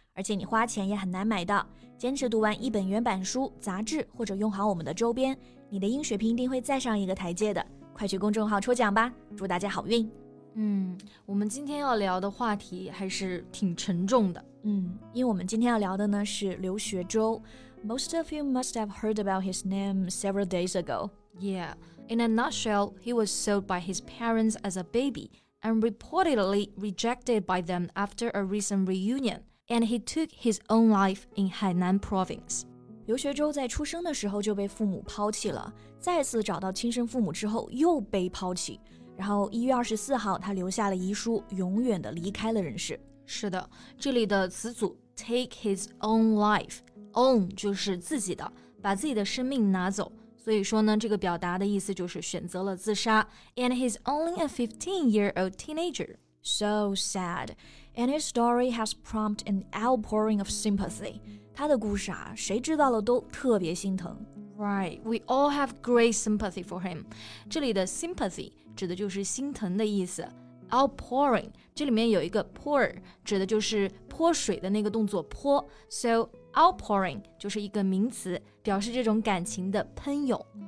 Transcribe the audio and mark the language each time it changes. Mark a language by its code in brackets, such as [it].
[zh] 而且你花钱也很难买到，坚持读完一本原版书、杂志或者用好我们的周边，你的英水平一定会再上一个台阶的。快去公众号抽奖吧，祝大家好运。我们今天要聊的话题还是挺沉重的。因为我们今天要聊的呢是留学周。 [en] Most of you must have heard about his name several days ago. Yeah, in a nutshell, he was sold by his parents as a baby and reportedly rejected by them after a recent reunion. And he took his own life in Hainan province. [zh] 刘学周在出生的时候就被父母抛弃了，再次找到亲生父母之后又被抛弃，然后1月24号他留下了遗书，永远的离开了人世。是的，这里的词组 [en] take his own life, [zh] own 就是自己的，把自己的生命拿走，所以说呢，这个表达的意思就是选择了自杀。 [en] And he's only a 15-year-old teenager. So sad. And his story has prompted an outpouring of sympathy. [zh] 他的故事啊，谁知道了都特别心疼。 [en] Right, we all have great sympathy for him. [zh] 这里的 sympathy 指的就是心疼的意思。 Outpouring, 这里面有一个 pour, 指的就是泼水的那个动作泼。 So outpouring 就是一个名词，表示这种感情的喷涌。